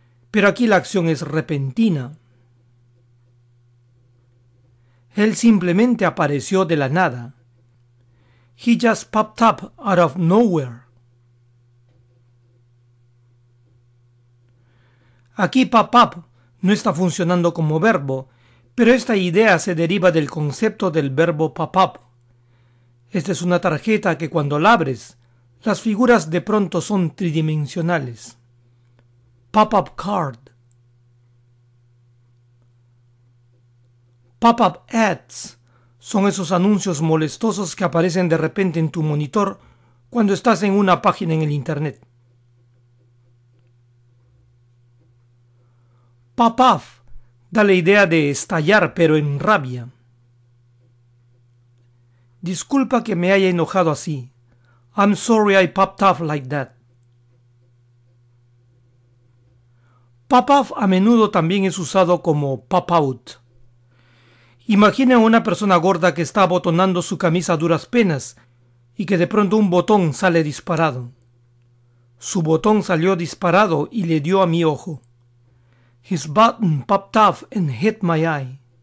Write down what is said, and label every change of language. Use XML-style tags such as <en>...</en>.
<es>Pero aquí la acción es repentina. Él simplemente apareció de la nada.</es> <en>He just popped up out of nowhere.</en> <es>Aquí pop up no está funcionando como verbo, pero esta idea se deriva del concepto del verbo pop up. Esta es una tarjeta que cuando la abres, las figuras de pronto son tridimensionales. Pop up card. Pop up ads son esos anuncios molestosos que aparecen de repente en tu monitor cuando estás en una página en el internet. Pop off da la idea de estallar, pero en rabia. Disculpa que me haya enojado así.</es> <en>I'm sorry I popped off like that.</en> <es>Pop off a menudo también es usado como pop out. Imagina a una persona gorda que está abotonando su camisa a duras penas y que de pronto un botón sale disparado. Su botón salió disparado y le dio a mi ojo.</es> <en>His button popped off and hit my eye.</en>